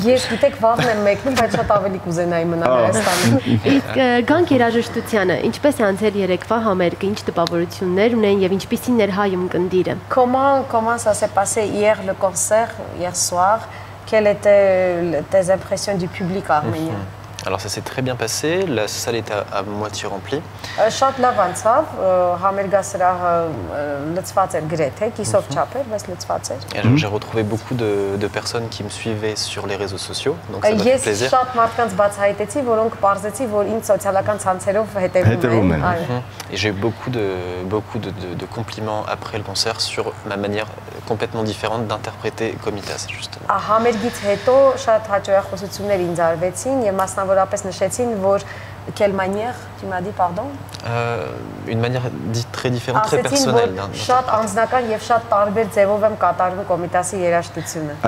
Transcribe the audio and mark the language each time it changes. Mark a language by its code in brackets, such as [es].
[fr] plus. Comment ça s'est passé hier, le concert, hier soir? Quelles étaient tes impressions du public arménien? Alors ça s'est très bien passé, la salle est à moitié remplie. [hy] Շատ լավ անցավ, համերգասրահը լցված էր գրեթե, կիսով չափ էր, բայց լցված էր. [fr] J'ai retrouvé beaucoup de personnes qui me suivaient sur les réseaux sociaux, donc ça m'a fait plaisir. [hy] Ես շատ մարդկանց բացահայտեցի, որոնք պարզեցի, որ ինձ սոցիալական ցանցերով հետևում են. [fr] Et j'ai eu beaucoup de compliments après le concert sur ma manière complètement différente d'interpréter Komitas justement. [hy] Ահա համերգից հետո շատ հաճույք խոսություններ ինձ արվեցին եւ մասնավորապես նշեցին, որ [fr] quelle manière tu m'as dit pardon? Une manière très différente, très personnelle. [hy] Շատ անձնական եւ շատ տարբեր ձեւով եմ կատարում Կոմիտասի երաժշտությունը.